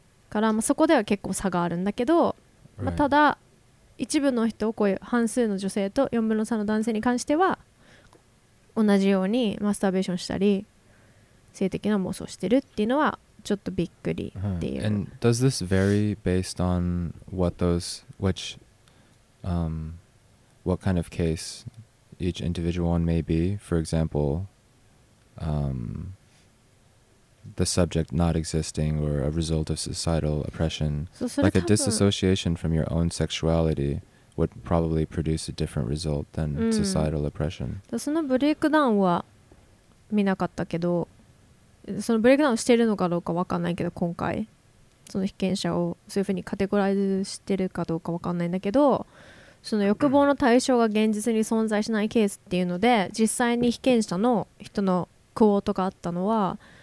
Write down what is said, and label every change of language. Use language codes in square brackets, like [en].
[ja] から、まあ、そこでは結構差があるんだけど、まあ、ただ、 [en] right. [ja] 一部の人、こういう半数の女性と4分の3の男性に関しては同じようにマスターベーションしたり性的な妄想してるっていうのはちょっとびっくりっていう、 [en] And does this vary based on what those, which, what kind of case each individual one may be? For example, the subject not existing or a result of societal oppression, like a disassociation from your own sexuality would probably produce a different result than societal oppression. [ja] そのブレイクダウンは見なかったけど、そのブレイクダウンしてるのかどうかわかんないけど、今回その被験者をそういうふうにカテゴライズしてるかどうかわかんないんだけど、その欲望の対象が現実に存在しないケースっていうので、実際に被験者の人のクオートがあったのは